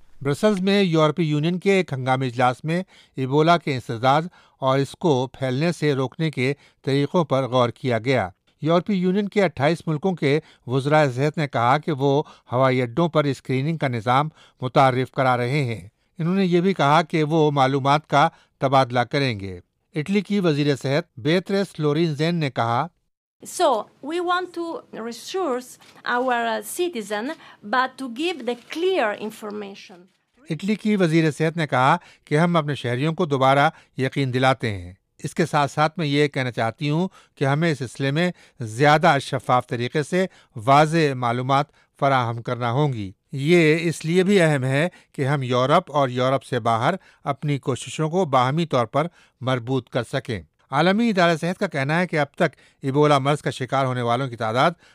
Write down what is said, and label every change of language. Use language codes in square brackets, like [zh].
[ur] Brussels میں یورپی union کے ایک ہنگامی اجلاس میں ایبولا کے انسداد اور اس کو پھیلنے سے روکنے کے طریقوں پر غور کیا گیا۔ یورپی یونین کے 28 ملکوں کے وزرائے صحت نے کہا کہ وہ ہوائی اڈوں پر اسکریننگ کا نظام متعارف کرا رہے ہیں۔ انہوں نے یہ بھی کہا کہ وہ معلومات کا تبادلہ کریں گے۔ اٹلی کی وزیر صحت بیتریس لورینزین نے کہا، [en] So we want to resource our citizen but to give the clear information. [ur] Italy کی وزیر صحت نے کہا کہ ہم اپنے شہریوں کو دوبارہ یقین دلاتے ہیں۔ اس کے ساتھ ساتھ میں یہ کہنا چاہتی ہوں کہ ہمیں اس سلسلے میں زیادہ شفاف طریقے سے واضح معلومات فراہم کرنا ہوں گی۔ یہ اس لیے بھی اہم ہے کہ ہم یورپ اور یورپ سے باہر اپنی کوششوں کو باہمی طور پر مربوط کر سکیں۔ عالمی ادارہ صحت کا کہنا ہے کہ اب تک ایبولا مرض کا شکار ہونے والوں کی تعداد